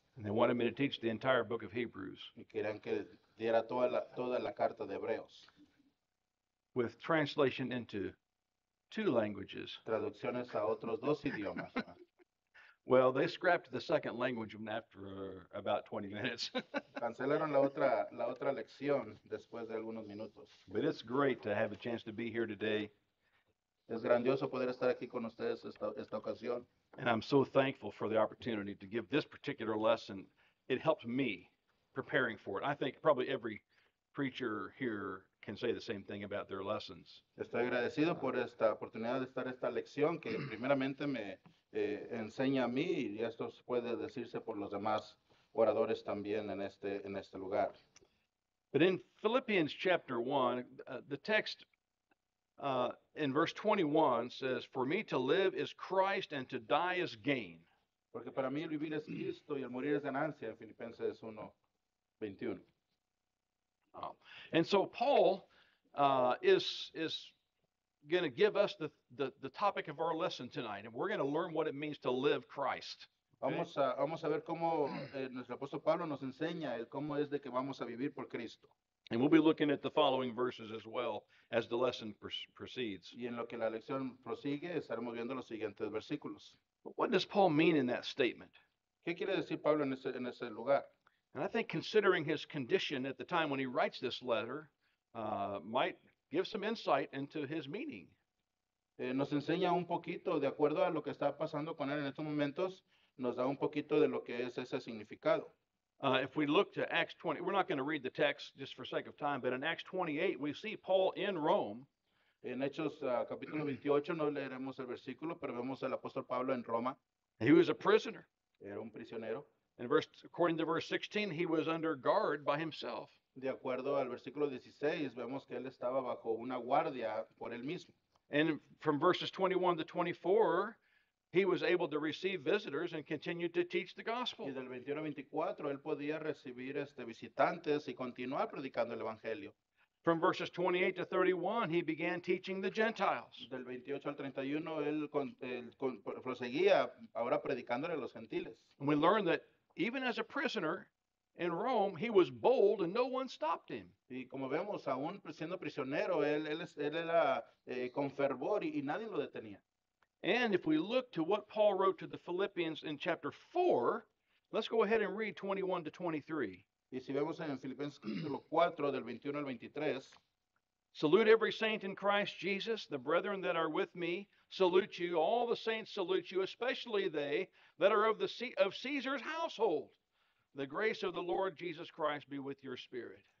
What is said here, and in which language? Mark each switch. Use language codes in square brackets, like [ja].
[en] And they wanted me to teach the entire book of Hebrews. [es] Y querían que diera toda la carta de Hebreos. [en] With translation into two languages. [es] Traducciones a otros dos idiomas. [en] Well, they scrapped the second language after about 20 minutes. [es] Cancelaron la otra lección después de algunos minutos. [en] But it's great to have a chance to be here today. [es] Es grandioso poder estar aquí con ustedes esta ocasión. [en] And I'm so thankful for the opportunity to give this particular lesson. It helped me preparing for it. I think probably every preacher here can say the same thing about their lessons. [es] Estoy agradecido por esta oportunidad de estar esta lección que primeramente me enseña a mí, y esto puede decirse por los demás oradores también en este lugar. [en] But in Philippians chapter 1, the text in verse 21 says, "For me to live is Christ and to die is gain." [es] Porque para mí el vivir es Cristo y el morir es ganancia, en Filipenses 1:21. [en] And so Paul is going to give us the topic of our lesson tonight, and we're going to learn what it means to live Christ. [es] Vamos a ver cómo nuestro apóstol Pablo nos enseña el cómo es de que vamos a vivir por Cristo. [en] And we'll be looking at the following verses as well as the lesson proceeds. [es] Y en lo que la lección prosigue, estaremos viendo los siguientes versículos. [en] But what does Paul mean in that statement? [es] ¿Qué quiere decir Pablo en ese lugar? [en] And I think considering his condition at the time when he writes this letter might give some insight into his meaning. [es] Nos enseña un poquito, de acuerdo a lo que está pasando con él en estos momentos, nos da un poquito de lo que es ese significado. [en] If we look to Acts 20, we're not going to read the text just for sake of time, but in Acts 28, we see Paul in Rome. [es] En Hechos capítulo 28, no leeremos el versículo, pero vemos al apóstol Pablo en Roma. [en] He was a prisoner. [es] Era un prisionero. [en] According to verse 16, he was under guard by himself. [es] De acuerdo al versículo 16, vemos que él estaba bajo una guardia por él mismo. [en] And from verses 21 to 24, he was able to receive visitors and continued to teach the gospel. [es] Y del 21 al 24, él podía recibir visitantes y continuar predicando el evangelio. [en] From verses 28 to 31, he began teaching the Gentiles. [es] Del 28 al 31, él proseguía ahora predicándole a los gentiles. [en] And we learn that even as a prisoner in Rome, he was bold and no one stopped him. [es] Y como vemos, aún siendo prisionero, él era con fervor y nadie lo detenía. [en] And if we look to what Paul wrote to the Philippians in chapter 4, let's go ahead and read 21 to 23. [es] Y si vemos en Filipenses capítulo 4, del 21 al 23. [en] Salute every saint in Christ Jesus, the brethren that are with me salute you, all the saints salute you, especially they that are of the of Caesar's household. The grace of the Lord Jesus Christ be with your spirit.